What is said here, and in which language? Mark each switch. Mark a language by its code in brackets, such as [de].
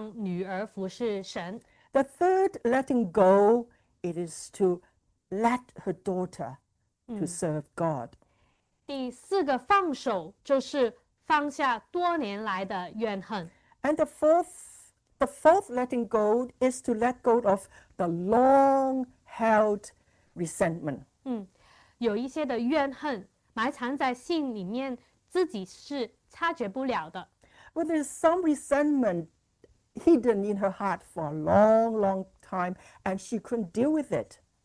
[zh] 第三个放手就是让女儿服侍神。 [en] The third letting go, it is to let her daughter to serve God. [zh] 第四个放手就是放下多年来的怨恨。 [en] And the fourth letting go is to let go of the long-held resentment. [zh] 有一些的怨恨埋藏在心里面，自己是察觉不了的。 [en] But there's some resentment hidden in her heart for a long, long time, and she couldn't deal with it.